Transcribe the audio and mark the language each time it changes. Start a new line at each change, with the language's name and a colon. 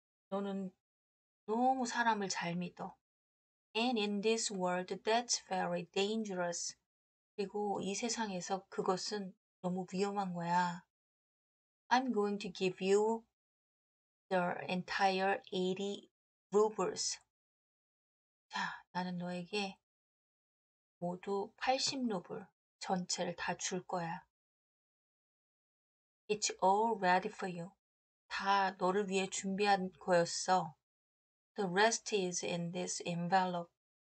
Korean: 너는 너무 사람을 잘 믿어.
English: And in this world, that's very dangerous.
Korean: 그리고 이 세상에서 그것은 너무 위험한 거야.
English: I'm going to give you the entire 80 rubles.
Korean: 자, 나는 너에게 모두 80루블 전체를 다줄 거야.
English: It's all ready for you.
Korean: 다 너를 위해 준비한 거였어.
English: The rest is in this envelope.